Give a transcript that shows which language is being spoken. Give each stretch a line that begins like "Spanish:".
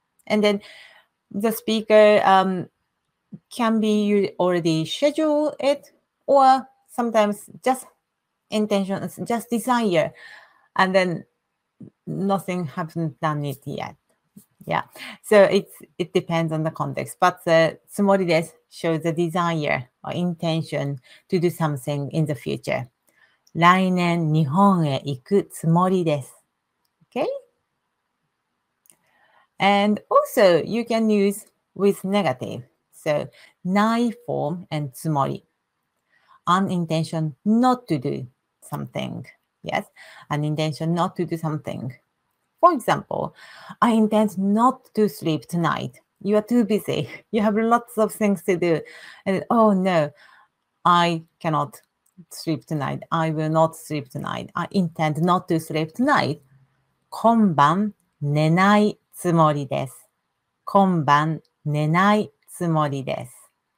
English: And then the speaker can be you already schedule it, or sometimes just intention, just desire, and then nothing hasn't done it yet. Yeah, so it depends on the context. But the tsumori desu shows the desire or intention to do something in the future.
Japanese: 来年日本へ行くつもりです。
English: Okay, and also you can use with negative, so ない form and つもり, an intention not to do something. Yes, an intention not to do something. For example, I intend not to sleep tonight. You are too busy. You have lots of things to do, and oh no, I cannot sleep tonight. I will not sleep tonight. I intend not to sleep tonight.
Japanese: 今晩寝ないつもりです。今晩寝ないつもりです。